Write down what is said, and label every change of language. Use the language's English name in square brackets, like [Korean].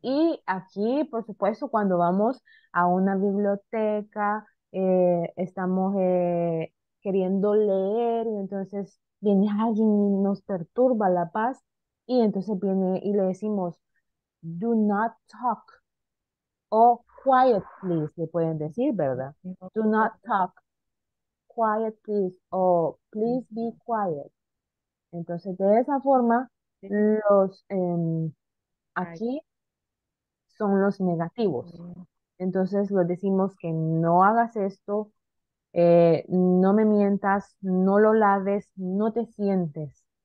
[Spanish] Y aquí, por supuesto, cuando vamos a una biblioteca, estamos queriendo leer, y entonces viene alguien y nos perturba la paz, y entonces viene y le decimos, [English] do not talk, [Spanish] o [English] quiet please, [Spanish] le pueden decir, ¿verdad? [English] Do not talk, quiet please, o please be quiet. [Spanish] Entonces, de esa forma, los aquí son los negativos. Entonces, les decimos que no hagas esto, no me mientas, no lo laves, no te sientes.